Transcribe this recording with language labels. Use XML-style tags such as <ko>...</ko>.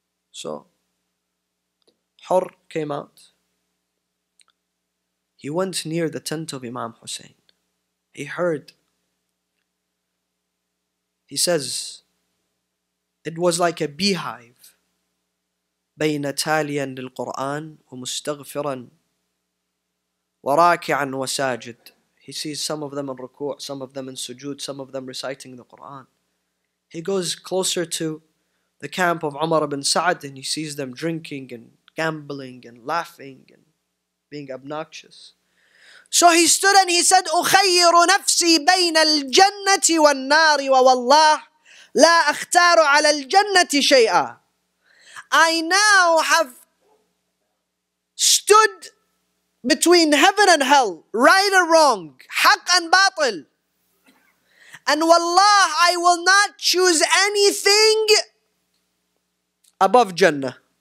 <en>So, Hur came out. He went near the tent of Imam Husayn. He heard. He says, it was like a beehive.</en> <ar>بين تاليا للقرآن ومستغفرا وراكعا وساجد.</ar> <en>He sees some of them in ruku', some of them in sujood, some of them reciting the Quran. He goes closer to the camp of Umar ibn Sa'd and he sees them drinking and gambling and laughing and being obnoxious. So he stood and he said,</en> <ar>أخير نفسي بين الجنة والنار ووالله لا أختار على الجنة شيئا.</ar> <en>I now have stood between heaven and hell, right or wrong, حق and باطل. And والله I will not choose anything above Jannah.</en>